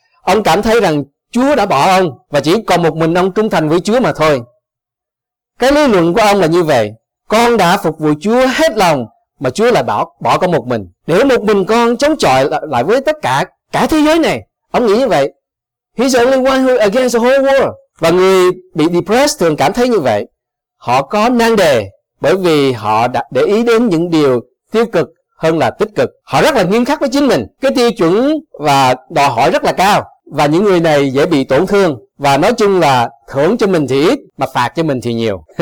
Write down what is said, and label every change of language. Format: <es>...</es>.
<vi>Ông cảm thấy rằng Chúa đã bỏ ông và chỉ còn một mình ông trung thành với Chúa mà thôi. Cái lý luận của ông là như vậy: con đã phục vụ Chúa hết lòng mà Chúa lại bỏ con một mình, để một mình con chống chọi lại với tất cả cả thế giới này. Ông nghĩ như vậy.</vi> <en>He's the only one who against the whole world.</en> <vi>Và người bị depressed thường cảm thấy như vậy. Họ có nan đề bởi vì họ đã để ý đến những điều tiêu cực hơn là tích cực. Họ rất là nghiêm khắc với chính mình, cái tiêu chuẩn và đòi hỏi rất là cao. Và những người này dễ bị tổn thương. Và nói chung là thưởng cho mình thì ít mà phạt cho mình thì nhiều.</vi>